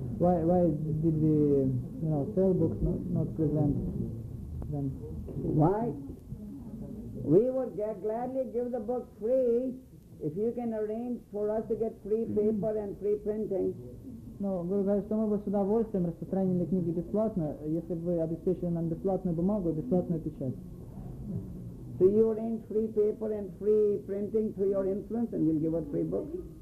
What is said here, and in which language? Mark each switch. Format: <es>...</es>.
<en>Why did we, you know, sell books, not present them? Why? We would gladly give the book free if you can arrange for us to get free paper and free printing.</en> <ru>Ну, Гуру говорит, что мы бы с удовольствием распространили книги бесплатно, если бы вы обеспечили нам бесплатную бумагу и бесплатную печать.</ru> <en>So you arrange free paper and free printing through your influence and you'll give us free books?</en>